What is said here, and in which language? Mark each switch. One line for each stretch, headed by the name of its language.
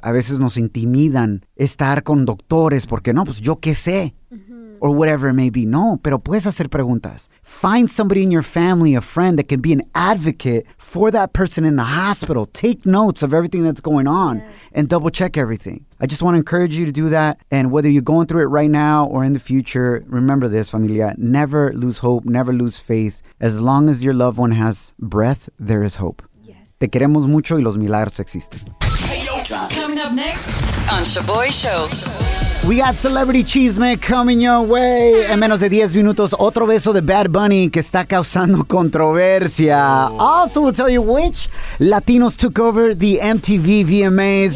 Spanish: A veces nos intimidan estar con doctores porque no, pues yo qué sé.
English: Or whatever it may be.
Spanish: No, pero puedes hacer preguntas.
English: Find somebody in your family, a friend, that can be an advocate for that person in the hospital. Take notes of everything that's going on and double check everything. I just want to encourage you to do that. And whether you're going through it right now or in the future, remember this, familia. Never lose hope. Never lose faith. As long as your loved one has breath, there is hope. Yes.
Spanish: Te queremos mucho y los milagros existen.
English: Coming up next on Shaboy Show. We got celebrity chisme coming your way.
Spanish: En menos de 10 minutos, otro beso de Bad Bunny que está causando controversia. Oh.
English: Also, we'll tell you which Latinos took over the MTV VMAs.